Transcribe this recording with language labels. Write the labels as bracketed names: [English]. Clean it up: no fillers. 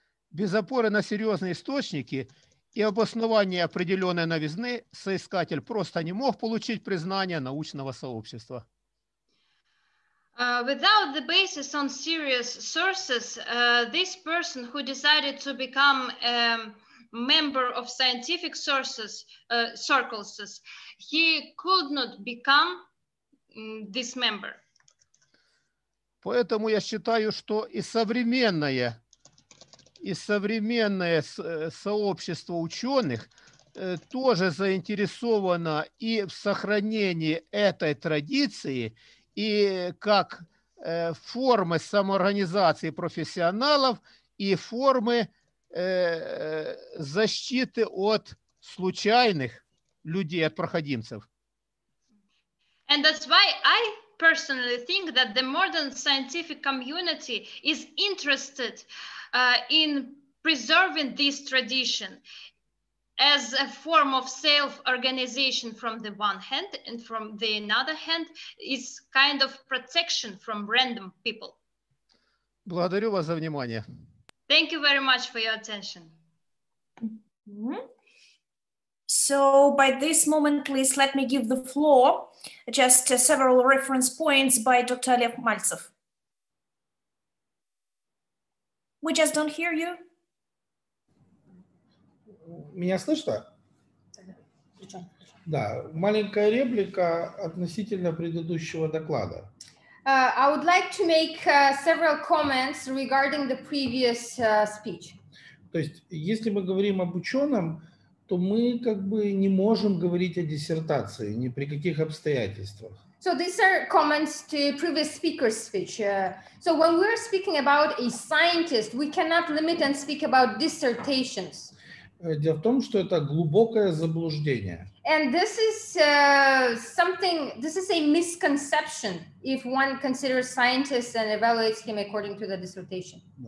[Russian] Без опоры на серьезные источники и обоснования определенной новизны соискатель просто не мог получить признание научного сообщества. [English] Without the basis on serious sources, this person who decided to become a member of scientific sources, circles, he could not become this member. [Russian] Поэтому я считаю, что и современное сообщество ученых тоже заинтересовано и в сохранении этой традиции, и как формы самоорганизации профессионалов, и формы защиты от случайных людей, от проходимцев. [English] And that's why I personally think that the modern scientific community is interested in preserving this tradition as a form of self-organization from the one hand, and from the other hand, is kind of protection from random people. [Russian] Благодарю вас за внимание. [English] Thank you very much for your attention. Mm-hmm. So by this moment, please let me give the floor just to several reference points by Dr. Lev Maltsev. We just don't hear you. [Russian] Меня слышно? Да, маленькая реплика относительно предыдущего доклада. [English] I would like to make several comments regarding the previous speech. [Russian] То есть, если мы говорим об ученом, то мы как бы не можем говорить о диссертации ни при каких обстоятельствах. [English] So these are comments to previous speaker's speech. So when we're speaking about a scientist, we cannot limit and speak about dissertations. [Russian] Дело в том, что это глубокое заблуждение. [English] And this is something, this is a misconception if one considers scientists and evaluates him according to the dissertation.